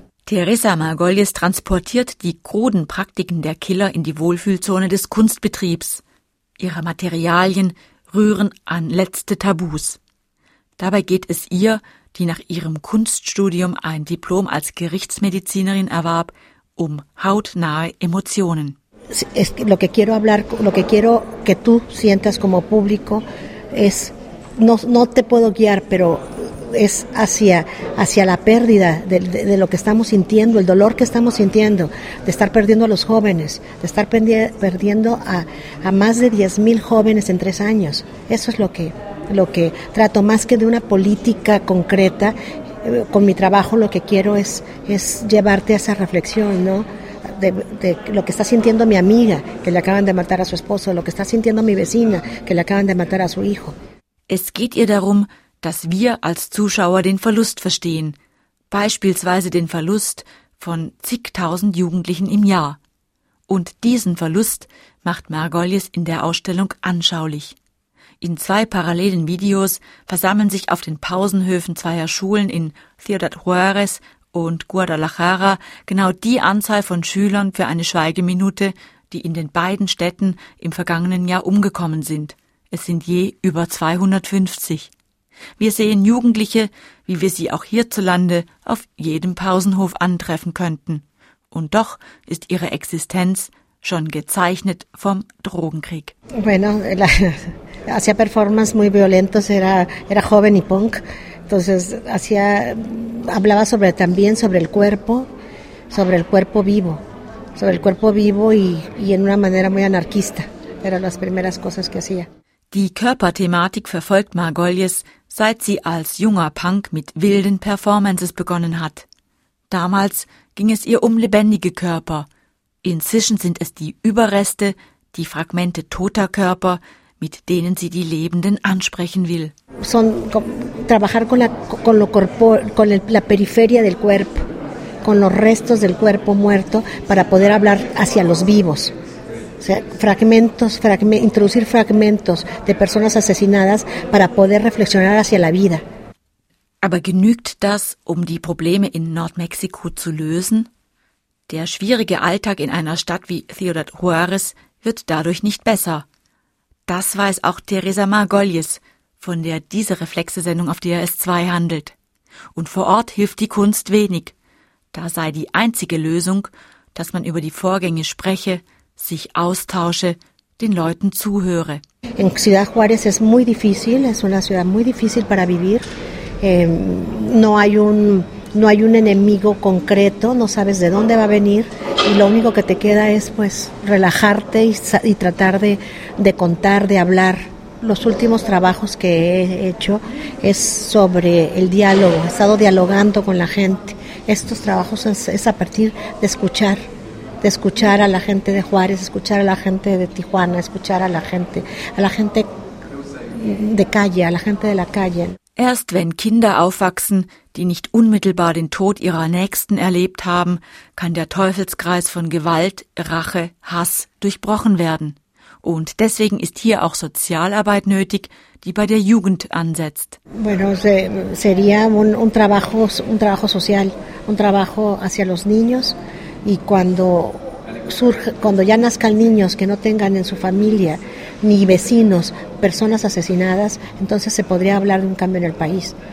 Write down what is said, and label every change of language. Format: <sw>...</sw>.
<de>Teresa Margolyes transportiert die kruden Praktiken der Killer in die Wohlfühlzone des Kunstbetriebs. Ihre Materialien rühren an letzte Tabus. Dabei geht es ihr, die nach ihrem Kunststudium ein Diplom als Gerichtsmedizinerin erwarb, um hautnahe Emotionen.</de> <es>Es lo que quiero hablar, lo que quiero que tú sientas como público es no te puedo guiar, pero es hacia la pérdida de lo que estamos sintiendo, el dolor que estamos sintiendo, de estar perdiendo a los jóvenes, de estar perdiendo a más de 10,000 jóvenes en 3 años. Eso es lo que trato, más que de una política concreta, con mi trabajo lo que quiero es llevarte a esa reflexión, ¿no? De lo que está sintiendo mi amiga, que le acaban de matar a su esposo, lo que está sintiendo mi vecina, que le acaban de matar a su hijo.</es> <de>Es geht ihr darum, dass wir als Zuschauer den Verlust verstehen, beispielsweise den Verlust von zigtausend Jugendlichen im Jahr. Und diesen Verlust macht Margolyes in der Ausstellung anschaulich. In 2 parallelen Videos versammeln sich auf den Pausenhöfen 2 Schulen in Ciudad Juárez und Guadalajara genau die Anzahl von Schülern für eine Schweigeminute, die in den beiden Städten im vergangenen Jahr umgekommen sind. Es sind je über 250. Wir sehen Jugendliche, wie wir sie auch hierzulande auf jedem Pausenhof antreffen könnten. Und doch ist ihre Existenz schon gezeichnet vom Drogenkrieg.</de> <es>Bueno, hacía performance muy violentos, era joven y punk. Entonces hablaba también sobre el cuerpo vivo y en una manera muy anarquista. Eran las primeras cosas que hacía.</es> <de>Die Körperthematik verfolgt Margolyes, seit sie als junger Punk mit wilden Performances begonnen hat. Damals ging es ihr um lebendige Körper. Inzwischen sind es die Überreste, die Fragmente toter Körper, mit denen sie die Lebenden ansprechen will.</de> <es>Son trabajar con la con lo corpo con la periferia del cuerpo, con los restos del cuerpo muerto para poder hablar hacia los vivos. O sea, introducir fragmentos de personas asesinadas para poder reflexionar hacia la vida.</es> <de>Aber genügt das, um die Probleme in Nordmexiko zu lösen? Der schwierige Alltag in einer Stadt wie Ciudad Juárez wird dadurch nicht besser. Das weiß auch Teresa Margolyes, von der diese Reflexesendung auf DRS2 handelt. Und vor Ort hilft die Kunst wenig. Da sei die einzige Lösung, dass man über die Vorgänge spreche, sich austausche, den Leuten zuhöre.</de> <es>In Ciudad Juárez es muy difícil, es una ciudad muy difícil para vivir. No hay un enemigo concreto, no sabes de dónde va a venir y lo único que te queda es pues relajarte y tratar de contar, de hablar. Los últimos trabajos que he hecho es sobre el diálogo, he estado dialogando con la gente. Estos trabajos es a partir de escuchar a la gente de Juárez, escuchar a la gente de Tijuana, escuchar a la gente de calle, a la gente de la calle.</es> <de>Erst wenn Kinder aufwachsen, die nicht unmittelbar den Tod ihrer Nächsten erlebt haben, kann der Teufelskreis von Gewalt, Rache, Hass durchbrochen werden. Und deswegen ist hier auch Sozialarbeit nötig, die bei der Jugend ansetzt.</de> <es>Bueno, sería un trabajo social, un trabajo hacia los niños y cuando ya nazcan niños que no tengan en su familia ni vecinos, personas asesinadas, entonces se podría hablar de un cambio en el país.</es>